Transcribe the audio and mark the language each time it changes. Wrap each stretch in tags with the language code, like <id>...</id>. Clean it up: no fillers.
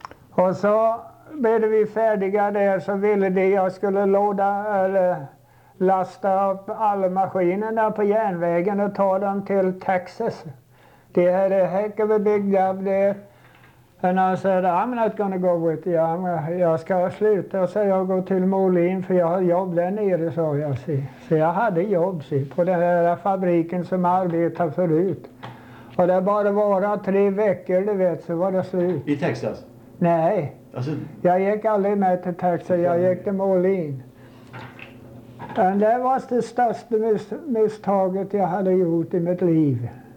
<sv>Och så blev vi färdiga där, så ville de jag skulle låda eller lasta upp alla maskinerna på järnvägen och ta dem till Texas. Det här är</sv> <en>heck of a big job there. And I said, I'm not gonna go with you.</en> <sv>Jag ska sluta, så jag går till Molin, för jag har jobb där nere, sa jag. Så jag hade jobb, se, på den här fabriken som jag arbetade förut. Och det bara var 3 veckor, du vet, så var det slut. I Texas? Nej. Alltså... jag gick aldrig med till Texas, jag gick till Molin. Men det var det största misstaget jag hade gjort i mitt liv.</sv>